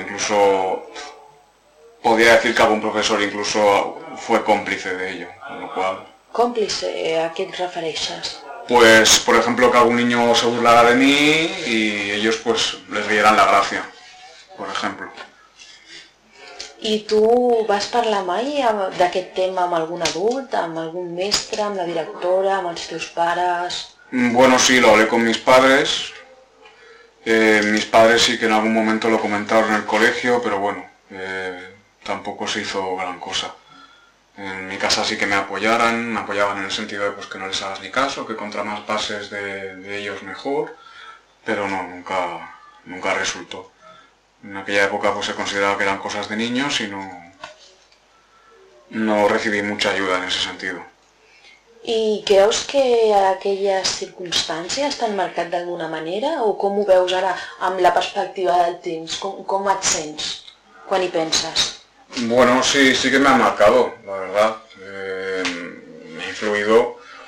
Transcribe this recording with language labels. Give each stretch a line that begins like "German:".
Spanish: Incluso podía decir que algún profesor incluso fue cómplice de ello, con lo cual. ¿Cómplice? ¿A qué te refieres? Pues, por ejemplo, que algún niño se burlara de mí y ellos, pues, les dieran la gracia, por ejemplo.
Catalan: ¿Y tú vas a hablar mai de aquest tema amb algún adult, amb algún mestre, amb la directora, amb els teus pares?
Spanish: Bueno, sí, lo hablé con mis padres. Mis padres sí que en algún momento lo comentaron en el colegio, pero bueno, tampoco se hizo gran cosa. En mi casa sí que me apoyaban en el sentido de pues, que no les hagas ni caso, que contra más pases de ellos mejor, pero no, nunca resultó. En aquella época pues se consideraba que eran cosas de niños y no recibí mucha ayuda en ese sentido.
Catalan: ¿Y creus que aquelles circumstàncies t'han marcat d'alguna manera? ¿O com ho veus ara amb la perspectiva del temps? Com et sents quan hi penses?
Spanish: Bueno, sí que me ha marcado, la verdad. Me ha influido